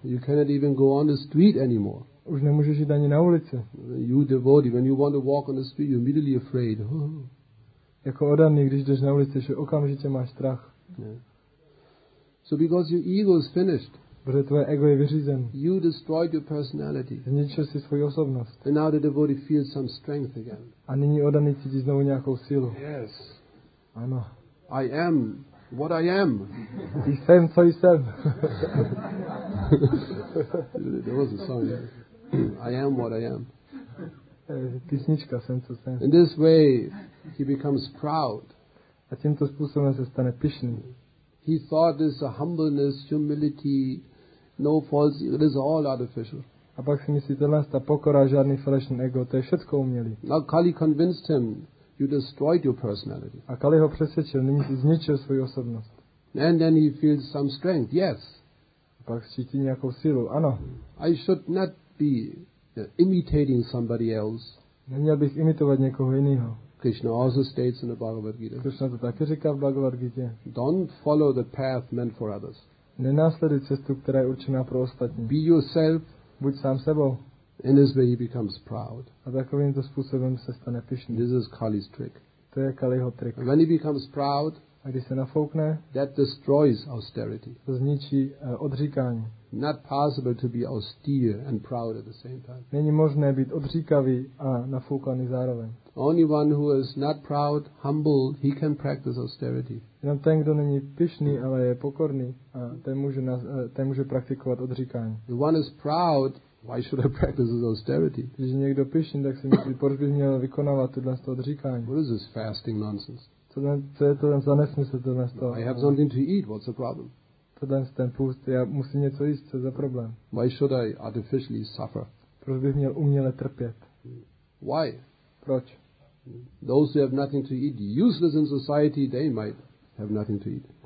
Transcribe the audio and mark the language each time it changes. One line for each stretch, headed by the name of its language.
English: You cannot even go on the street anymore.
Czech: Už nemůžeš jít ani na ulici.
English: You devotee, when you want to walk on the street, you're immediately afraid.
Czech: Jako odaný, když jdeš na ulici, že okamžitě máš strach.
English: So because your ego is finished.
Czech: Protože tvoje ego je vyřízen.
English: You destroyed your personality.
Czech: Zničil jsi svou osobnost.
English: And now the devotee feels some strength again.
Czech: A nyní odaný cítí znovu nějakou sílu.
English: Yes.
Czech: Ano.
English: I am what I am.
Czech: Jsem, co jsem.
English: There was a song. I am what I am.
Czech: Písnička, jsem, co jsem.
English: In this way, he becomes proud.
Czech: A tímto způsobem se stane pyšný.
English: He thought this humbleness, humility, no false, it is all artificial.
Czech: A pak si myslí, tohle ta pokora, žádný falešný ego, to je všecko umělý.
English: Now Kali convinced him, you destroyed your personality.
Czech: A Kali ho přesvědčil, nyní si zničil svou osobnost.
English: And then he feels some strength, yes.
Czech: A pak cítí nějakou sílu, ano.
English: I should not be imitating somebody else.
Czech: Neměl bych imitovat někoho jiného.
English: Krishna also states in the Bhagavad Gita.
Czech: Krishna to taky říká v Bhagavad Gita.
English: Don't follow the path meant for others.
Czech: Nenásleduj cestu, která je určená pro ostatní.
English: Be yourself.
Czech: Buď sám sebou.
English: In this way he becomes proud.
Czech: A takovýmto způsobem se stane pyšný.
English: This is Kali's trick.
Czech: To je Kaliho trik.
English: And when he becomes proud,
Czech: a když se nafoukne,
English: that destroys austerity.
Czech: To zničí odříkání.
English: Not possible to be austere and proud at the same time.
Czech: Není možné být odříkavý a nafoukaný zároveň.
English: Only one who is not proud, humble, he can practice austerity.
Czech: Jenom ten, kdo není pyšný, ale je pokorný, a ten může praktikovat odříkání.
English: The one is proud, why should I practice this austerity?
Czech: Když je někdo pyšný, tak si myslí, proč bych měl vykonávat tohle odříkání.
English: What is this fasting nonsense?
Czech: Co je to za nesmysl tohle z toho?
English: I have something to eat, what's the problem?
Czech: Tohle z ten půst, já musím něco jíst, co je za problém?
English: Why should I artificially suffer?
Czech: Proč bych měl uměle trpět?
English: Why?
Czech: Proč?
English: Those who have nothing to eat, useless in society, they might have nothing to eat.